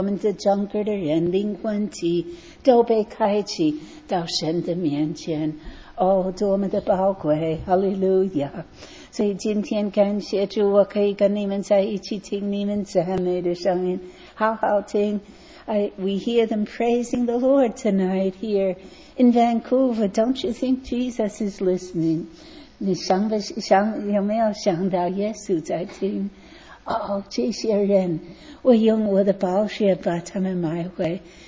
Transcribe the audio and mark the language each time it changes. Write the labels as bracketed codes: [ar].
[zh] 我们的整个的人灵魂体都被开启到神的面前。哦，多么的宝贵 ，Hallelujah！所以今天感谢主，我可以跟你们在一起听你们赞美的声音，好好听。 [en] We hear them praising the Lord tonight here in Vancouver. Don't you think Jesus is listening? [zh] 你想不想有没有想到耶稣在听？哦，这些人，我用我的宝血把他们买回。